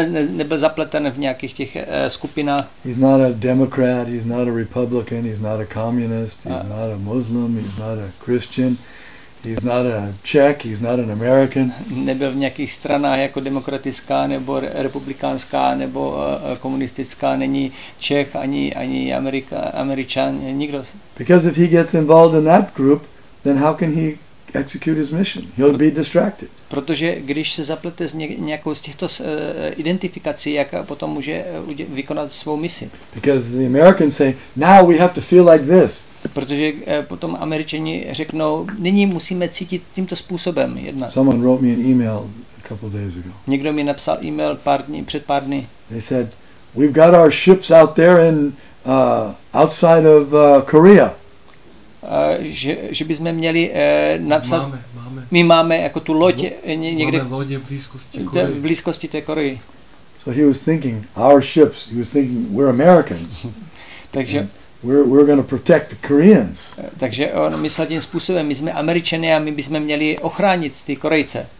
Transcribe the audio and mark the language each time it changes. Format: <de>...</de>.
<cs>Nebyl zapleten v nějakých těch skupinách.</cs> <en>He's not a Democrat, he's not a Republican, he's not a communist, he's not a Muslim, he's not a Christian. He's not a Czech, he's not an American.</en> <cs>Nebyl v nějakých stranách jako demokratická nebo republikánská nebo komunistická, není Čech ani Američan, nikdo.</cs> <en>Because if he gets involved in that group, then how can he execute his mission? He'll be distracted.</en> <cs>Protože když se zaplete s nějakou z těchto identifikací, jak potom může vykonat svou misi?</cs> <en>Because the Americans say, now we have to feel like this.</en> <cs>Protože potom Američani řeknou, nyní musíme cítit tímto způsobem jednat.</cs> <en>Someone wrote me an email a couple days ago.</en> <cs>Někdo mi napsal email před pár dny.</cs> <en>They said, we've got our ships out there in outside of Korea.</en> <cs>Že bychom měli napsat. Máme. My máme jako tu loď někde. Máme lodě v blízkosti té Koreji.</cs> <en>So he was thinking our ships. He was thinking we're Americans.</en> <cs>Takže.</cs> <en>We're going to protect the Koreans.</en> <cs>Takže on myslel tím způsobem, my jsme Američané a my bychom měli ochránit ty Korejce.</cs>